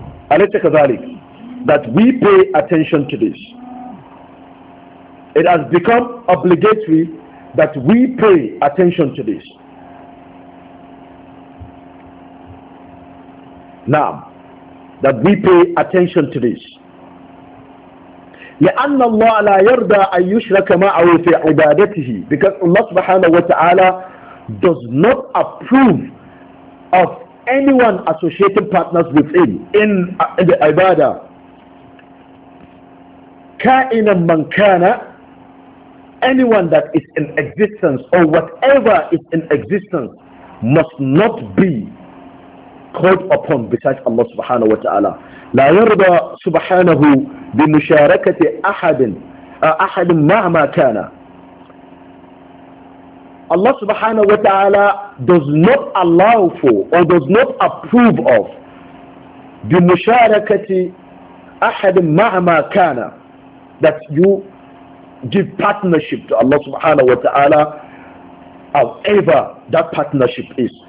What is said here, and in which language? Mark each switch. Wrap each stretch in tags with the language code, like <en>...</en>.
<ar>أَلَيْسَ كَذَلِكَ,</ar> <en>that we pay attention to this. It has become obligatory that we pay attention to this. Now, that we pay attention to this.</en> <ar>لأن الله لا يرضى أن يشرك معه في عبادته.</ar> <en>Because Allah subhanahu wa ta'ala does not approve of anyone associating partners with him in the ibadah.</en> <ar>كائنا من كان,</ar> <en>anyone that is in existence or whatever is in existence must not be called upon besides Allah subhanahu wa ta'ala.</en> <ar>لا يرضى سبحانه بمشاركة أحد مهما كان.</ar> <en>Allah subhanahu wa ta'ala does not allow for or does not approve of</en> <ar>بمشاركة أحد مهما كان,</ar> <en>that you give partnership to Allah subhanahu wa ta'ala, however that partnership is.</en>